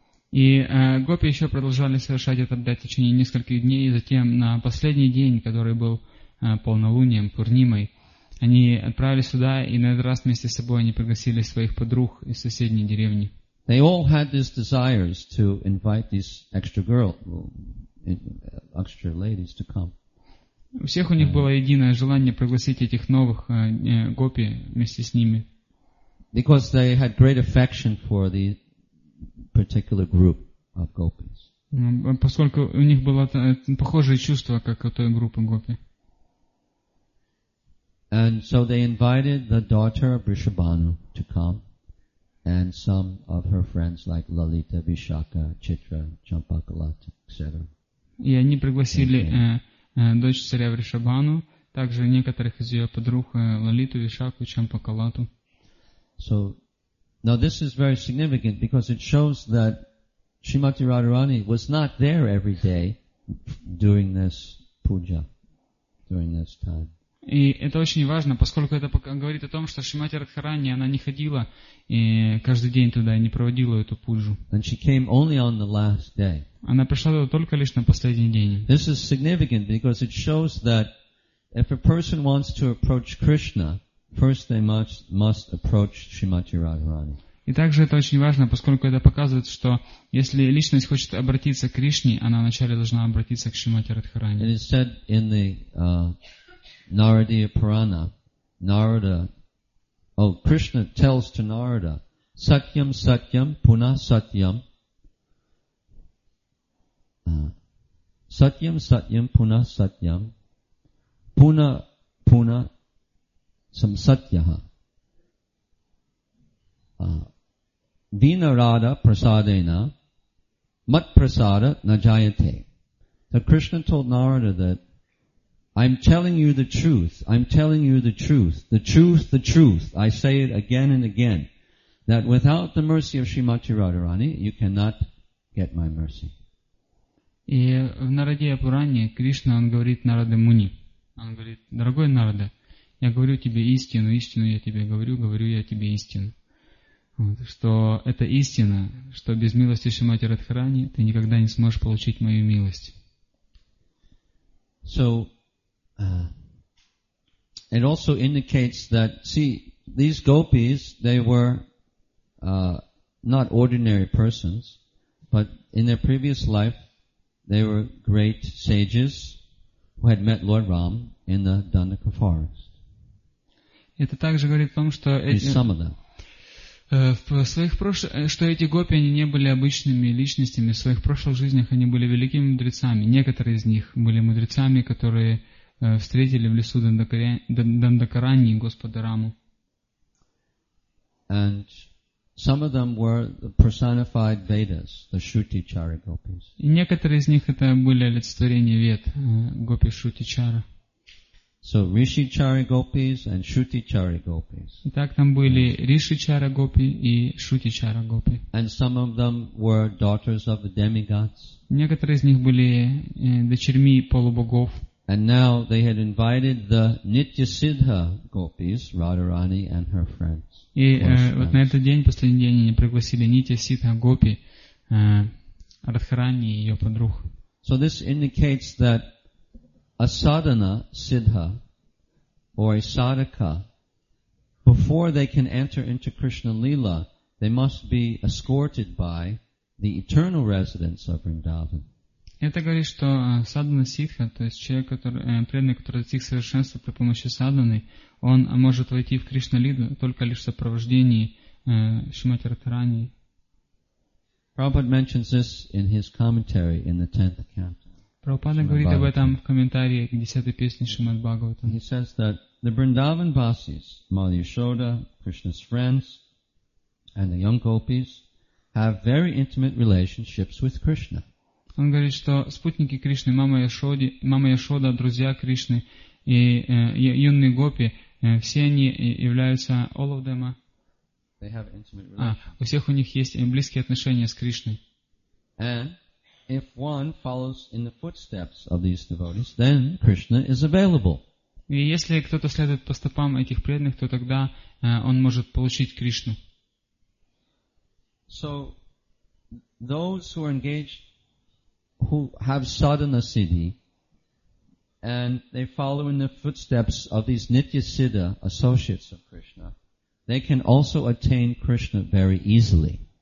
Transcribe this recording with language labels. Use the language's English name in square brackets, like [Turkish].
[Russian] И гопи еще продолжали совершать этот обряд в течение нескольких дней, и затем на последний день, который был полнолунием, Пурнимой, они отправились сюда, и на этот раз вместе с собой они пригласили своих подруг из соседней деревни. [English] They all had these desires to invite these extra ladies to come. [Russian] У всех у них было единое желание пригласить этих новых гопи вместе с ними. [English] Because they had great affection for the particular group of gopis. [Russian] Поскольку у них было похожее чувство, как у той группы гопи. [English] And so they invited the daughter of Vrishabhanu to come, and some of her friends like Lalita, Vishaka, Chitra, Champakalat, etc. [Russian] И они пригласили дочь царя Вришабану, также некоторых из ее подруг, Лалиту, Вишаку, Чампакалату. [English] So, now this is very significant because it shows that Shrimati Radharani was not there every day during this puja, during this time. [Russian] И это очень важно, поскольку это говорит о том, что Шримати Радхарани, она не ходила и каждый день туда и не проводила эту пуджу. [English] And she came only on the last day. [Russian] Она пришла туда только лишь на последний день. [English] This is significant because it shows that if a person wants to approach Krishna, first they must approach Shrimati Radharani. [Russian] И также это очень важно, поскольку это показывает, что если личность хочет обратиться к Кришне, она вначале должна обратиться к Шримати Радхарани. [English] It is said in the Narada Purana, Krishna tells to Narada, [Sanskrit] Satyam Satyam Puna Satyam, Satyam Satyam Puna Satyam, Puna Puna Sam Satyaha, Vinarada Prasadena, Mat Prasada Najayate. [English] So Krishna told Narada that I'm telling you the truth. I'm telling you the truth. The truth, the truth. I say it again and again. That without the mercy of Shrimati Radharani, you cannot get my mercy. [Russian] И в Нараде Пуране Кришна, он говорит Нараде Муни. Он говорит: дорогой Нараде, я говорю тебе истину, истину я тебе говорю, говорю я тебе истину. Вот, что это истина, что без милости Шримати Радхарани ты никогда не сможешь получить мою милость. [English] So, it also indicates that, see, these gopis, they were not ordinary persons, but in their previous life, they were great sages who had met Lord Ram in the Dandaka forest. [Russian] Это также говорит о том, что что эти гопи, они не были обычными личностями. В своих прошлых жизнях они были великими мудрецами. Некоторые из них были мудрецами, которые встретили в лесу Дандакарани Господа Раму. [English] And some of them were the personified Vedas, the Shruti Chara gopis. [Russian] И некоторые из них это были олицетворения Вед, гопи Шрути Чара. [English] So Риши Чара гопис and Шрути Чара гопис. [Russian] Итак, там были Риши Чара гопи и Шрути Чара гопи. [English] And some of them were daughters of the demigods. [Russian] Некоторые из них были дочерьми полубогов. [English] And now they had invited the Nitya Siddha gopis, Radharani and her friends. [Russian] И вот на этот день, последний день, они пригласили Нитья Сидха Гопи, Радхарани и ее подруг. [English] So this indicates that a sadhana siddha or a sadhaka, before they can enter into Krishna Lila, they must be escorted by the eternal residents of Vrindavan. [Russian] Это говорит, что садхана сиддха, то есть человек, преданный, который достиг совершенства при помощи садханы, он может войти в Кришна-лиду только лишь в сопровождении Шримати Радхарани. [English] Prabhupada mentions this in his commentary in the 10th canto. [Russian] Прабхупада говорит об этом в комментарии к 10-й песне Шримад Бхагавата. [English] He says that the Vrindavan Vasis, Mother Yashoda, Krishna's friends, and the young gopis have very intimate relationships with Krishna. [Russian] Он говорит, что спутники Кришны, мама Яшода, друзья Кришны и юные гопи, все они являются [English] all of them. They have intimate [Russian] relationship. У всех у них есть близкие отношения с Кришной. [English] And if one follows in the footsteps of these devotees, then Krishna is available. [Russian] И если кто-то следует по стопам этих преданных, то тогда он может получить Кришну. [English] So those who are engaged who have sadhana siddhi and they follow in the footsteps of these nitya siddha associates of Krishna, they can also attain Krishna very easily.